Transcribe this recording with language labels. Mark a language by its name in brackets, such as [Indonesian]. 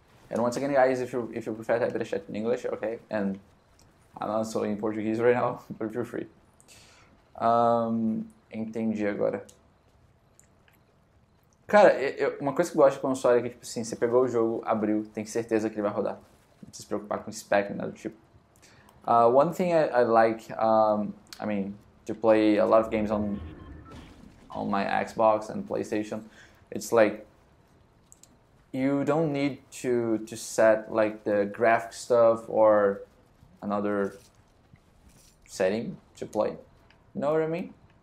[English] And once again, guys, if you prefer, type the chat in English, okay? And I'm also in Portuguese right now, but feel free. [Portuguese] Entendi agora. Cara, uma coisa que eu gosto de console é que, tipo assim, você pegou o jogo, abriu, tem certeza que ele vai rodar. Não precisa se preocupar com spec, nada do tipo. [English] One thing I like, I mean, to play a lot of games on my Xbox and PlayStation, it's like, you don't need to set like the graphic stuff or another setting to play. Know what I mean?